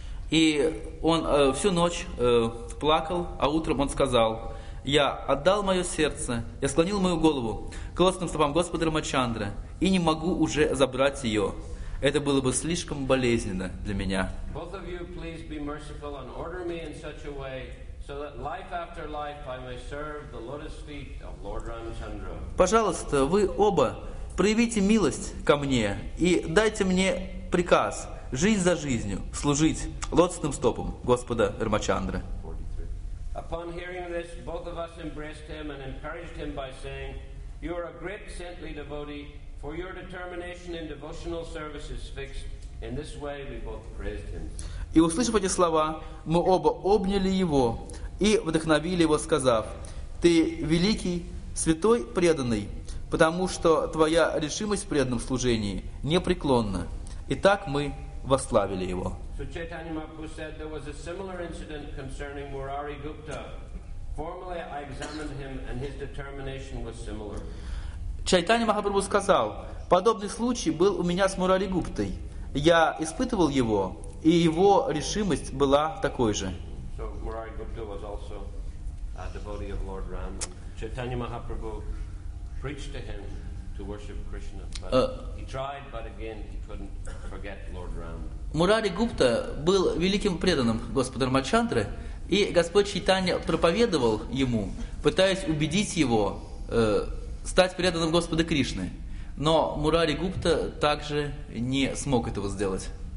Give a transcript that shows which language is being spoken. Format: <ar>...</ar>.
<ru>И он всю ночь плакал, а утром он сказал, я отдал мое сердце, я склонил мою голову к лотосным стопам Господа Рамачандры и не могу уже забрать ее. Это было бы слишком болезненно для меня.</ru> <en>Both of you, please be merciful and order me in such a way, so that life after life I may serve the lotus feet of Lord Ramchandra.</en> <ru>Пожалуйста, вы оба проявите милость ко мне и дайте мне приказ жизнь за жизнью служить лотосным стопам Господа Рамачандры.</ru> <en>Upon hearing this, both of us embraced him and encouraged him by saying, "You are a great saintly devotee. For your determination in devotional service is fixed." In this way, we both praised him.</en> <ru>И услышав эти слова, мы оба обняли его и вдохновили его, сказав: "Ты великий, святой, преданный, потому что твоя решимость в преданном служении непреклонна." И так мы восславили его.</ru> <en>So Chaitanya Mahaprabhu said there was a similar incident concerning Murari Gupta. Formally, I examined him, and his determination was similar.</en> <ru>Чайтанья Махапрабху сказал, подобный случай был у меня с Мурари Гуптой. Я испытывал его, и его решимость была такой же.</ru> <en>So, Murari Gupta was also a devotee of Lord Ram. Chaitanya Mahaprabhu preached to him to worship Krishna, but he tried, but again he couldn't forget Lord Ram.</en> <ru>Мурари Гупта был великим преданным Господа Рамачандры, и Господь Чайтанья проповедовал ему, пытаясь убедить его стать преданным Господа Кришны. Но Мурари Гупта также не смог этого сделать.</ru>